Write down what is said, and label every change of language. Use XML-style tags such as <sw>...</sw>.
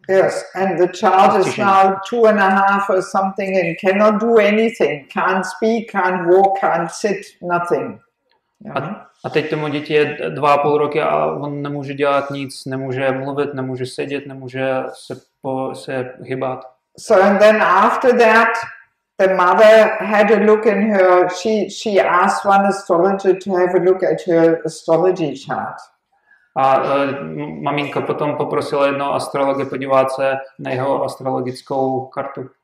<en>Yes, and the child is now 2.5 or something and cannot do anything. Can't speak, can't walk, can't sit, nothing.</en> <cs>A teď tomu dítě je 2.5 roky a on nemůže dělat nic, nemůže mluvit, nemůže sedět, nemůže se hýbat.</cs> <en>So and then after that, the mother had a look in her, she asked one astrologer to have a look at her astrology chart.</en> <cs>A maminka potom poprosila jednoho astrologa podívat se na jeho astrologickou kartu.</cs>